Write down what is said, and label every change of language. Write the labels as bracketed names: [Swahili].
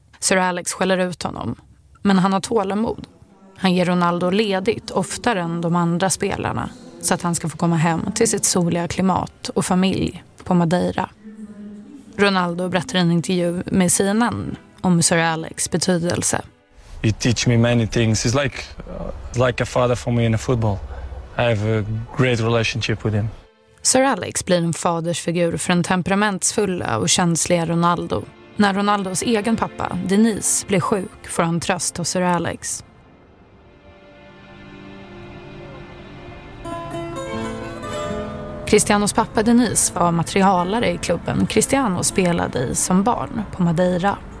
[Swedish] Sir Alex skäller ut honom, men han har tålamod. Han ger Ronaldo ledigt oftare än de andra spelarna så att han ska få komma hem till sitt soliga klimat och familj på Madeira. Ronaldo berättar en intervju med CNN om Sir Alex betydelse. [English] He teach me many things. He's like a father for me in football. I have a great relationship with him. [Swedish] Sir Alex blir en fadersfigur för en temperamentsfulla och känsliga Ronaldo. När Ronaldos egen pappa, Denise, blir sjuk får han tröst hos Sir Alex. Cristianos pappa Denise var materialare i klubben Cristiano spelade i som barn på Madeira.